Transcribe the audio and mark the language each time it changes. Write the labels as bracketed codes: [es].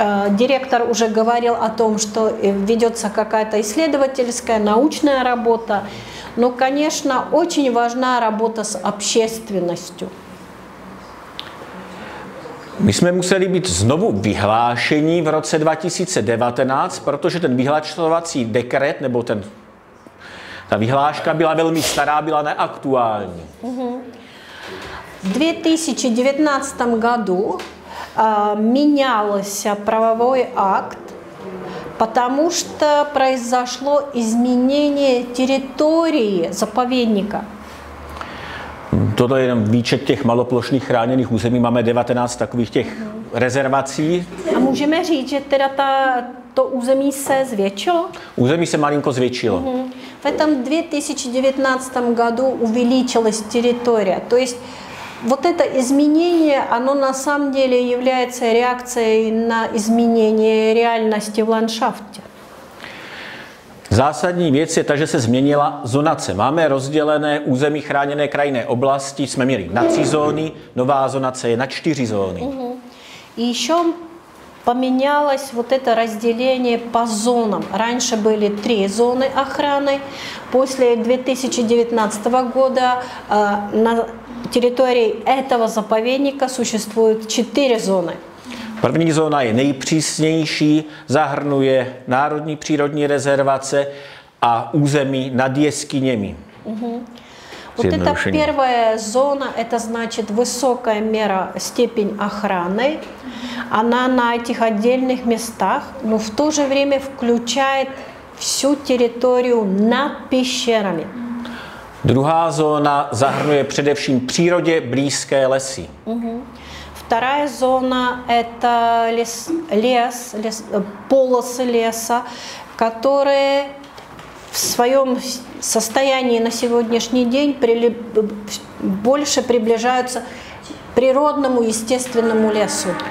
[ru] Директор уже говорил о том, что ведется какая-то исследовательская, научная работа. Но, конечно, очень важна работа с общественностью. [cs] My jsme museli být znovu vyhlášení v roce 2019, protože ten vyhlašovací dekret, nebo ten, ta vyhláška byla velmi stará, byla neaktuální. [ru] V 2019 году менялся правовой акт, потому что произошло изменение территории заповедника. [cs] Toto je jenom výčet těch maloplošných chráněných území. Máme 19 takových těch rezervací. A můžeme říct, že teda to území se zvětšilo? Území se malinko zvětšilo. [ru] V tom 2019 году увеличилась территория. То есть вот это изменение, оно на самом деле является реакцией на изменение реальности в ландшафте. [cs] Zásadní věc je ta, že se změnila zonace. Máme rozdělené území chráněné krajinné oblasti, jsme měli na 3 zóny, nová zonace je na 4 zóny. [ru] I ještě поменялось вот это разделение по зонам. Раньше были 3 зоны охраны. После 2019 года на территории этого заповедника существуют 4 зóny. [cs] První zóna je nejpřísnější, zahrnuje národní přírodní rezervace a území nad jeskyněmi. [ru] Вот это первая зона, это значит высокая мера степень охраны. Она на этих отдельных местах, но в то же время включает всю территорию над пещерами. [cs] Druhá zóna zahrnuje především přírodě blízké lesy. [ru] Вторая зона – это лес, полосы леса, которые в своем состоянии на сегодняшний день больше приближаются к природному естественному лесу.